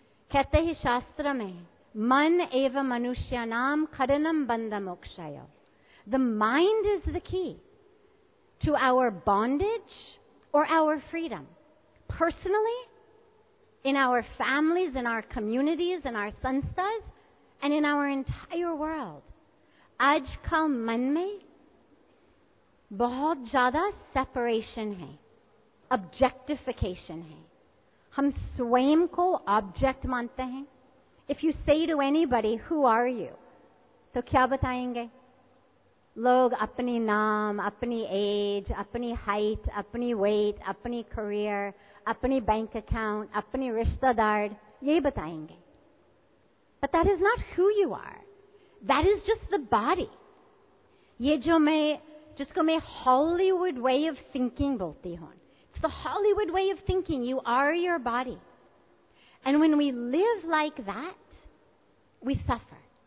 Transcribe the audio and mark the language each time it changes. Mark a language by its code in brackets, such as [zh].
[hi] Kehte hai shastra mein, [sa] मन एव मनुष्यानाम खरनम बंध मोक्षाय, [en] The mind is the key to our bondage और our freedom, personally in our families, in our communities, in our संस्थाज and in our entire world. [hi] आजकल मन में बहुत ज्यादा separation है, ऑब्जेक्टिफिकेशन है, हम स्वयं को ऑब्जेक्ट मानते हैं। [en] If you say to anybody, who are you? [hi] तो क्या बताएंगे? लोग अपनी नाम, अपनी एज, अपनी हाइट, अपनी वेट, अपनी करियर, अपनी बैंक अकाउंट, अपनी रिश्तेदार, ये बताएंगे। [en] But that is not who you are. That is just the body. [hi] ये जो मैं, जिसको मैं Hollywood way of thinking बोलती हूँ, [en] it's the Hollywood way of thinking. You are your body. And when we live like that, we suffer.